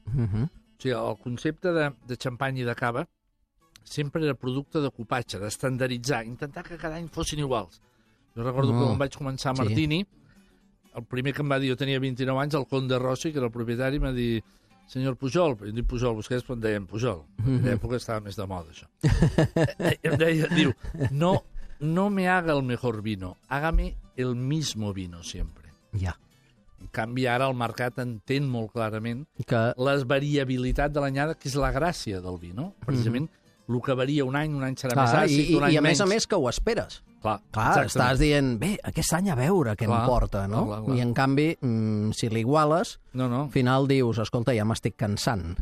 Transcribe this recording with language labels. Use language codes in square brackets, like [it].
[ca] O sigui, el concepte de xampany i de cava sempre era producte de copatge, d'estandarditzar, intentar que cada any fossin iguals. Jo recordo que quan vaig començar a Martini, el primer que em va dir, jo tenia 29 anys, el Conde Rossi, que era el propietari, m'ha dit, senyor Pujol, jo dic Pujol, vostès, però em deien Pujol. En l'època estava més de moda, això. I em deia, diu, [es] no me haga el mejor vino, hágame el mismo vino siempre. [ca] Ja. En canvi, ara el mercat entén molt clarament que la variabilitat de l'anyada, que és la gràcia del vi, no? Precisament, el que varia un any serà més àcid, un any I a més a més que ho esperes. Clar, estàs dient, bé, aquest any a veure què em porta, no? Clar. I en canvi, si l'iguales, al final dius, escolta, ja m'estic cansant.